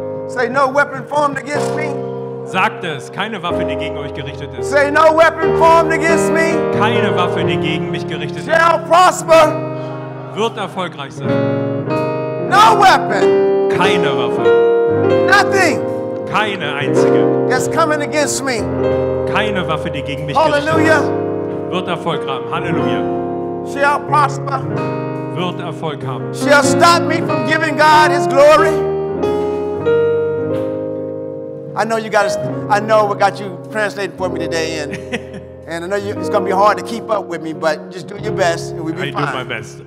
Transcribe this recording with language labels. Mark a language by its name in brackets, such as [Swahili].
[English] Say no weapon formed against me. [German] Sagt es, keine Waffe, die gegen euch gerichtet ist. [English] Say no weapon formed against me. [German] Keine Waffe, die gegen mich gerichtet ist. [English] Shall prosper. [German] Wird erfolgreich sein. [English] No weapon. [German] Keine Waffe. [English] Nothing. [German] Keine einzige. [English] That's coming against me. [German] Keine Waffe, die gegen mich [English] Hallelujah. [German] Gerichtet wird Erfolg haben. Halleluja. [English] Shall prosper. [German] Wird Erfolg haben. [English] Shall stop me from giving God His glory. I know we got you translating for me today, and I know you, it's gonna be hard to keep up with me, but just do your best, and we'll be I fine. I do my best.